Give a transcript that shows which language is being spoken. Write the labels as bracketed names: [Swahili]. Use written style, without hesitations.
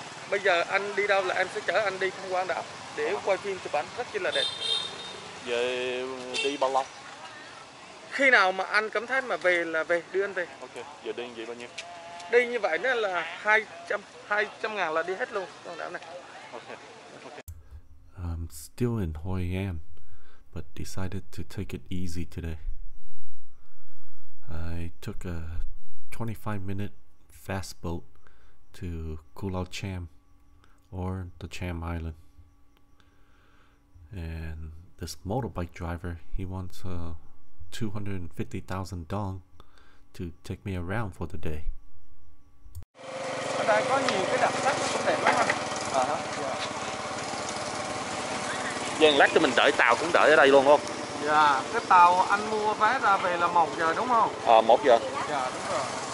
[Vietnamese] Bây giờ anh đi đâu là em sẽ chở anh đi tham quan đảo để quay phim chụp ảnh rất là đẹp. Về đi bao lâu? Khi nào mà anh cảm thấy mà về là về, đưa anh về. Ok, giờ đi như vậy bao nhiêu? Đi như vậy nữa là 200 ngàn là đi hết luôn con đảo này. [English] Okay. I'm still in Hoi An but decided to take it easy today. I took a 25-minute fast boat to Cù Lao Chàm, or the Cham Island. And this motorbike driver, he wants 250,000 dong to take me around for the day. [Vietnamese] Ở đây có nhiều cái đặc sắc cũng đẹp lắm. Vâng, lát cho mình đợi tàu cũng đợi ở đây luôn không? Dạ, cái tàu anh mua vé ra về là 1 giờ đúng không? À, 1 giờ. Dạ, đúng rồi.